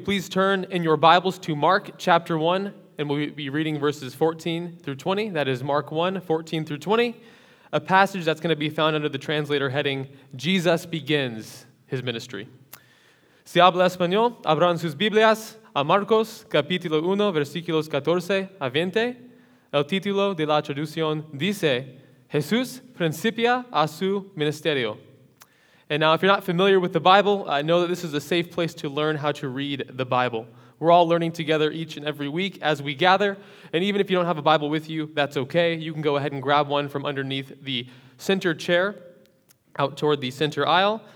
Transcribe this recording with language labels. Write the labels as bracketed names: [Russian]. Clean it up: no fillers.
[English] Please turn in your Bibles to Mark chapter 1, and we'll be reading verses 14 through 20. That is Mark 1, 14 through 20, a passage that's going to be found under the translator heading, Jesus Begins His Ministry. [Spanish] Si habla español, abran sus Biblias a Marcos capítulo 1, versículos 14 a 20. El título de la traducción dice, Jesús principia a su ministerio. [English] And now, if you're not familiar with the Bible, I know that this is a safe place to learn how to read the Bible. We're all learning together each and every week as we gather. And even if you don't have a Bible with you, that's okay. You can go ahead and grab one from underneath the center chair out toward the center aisle.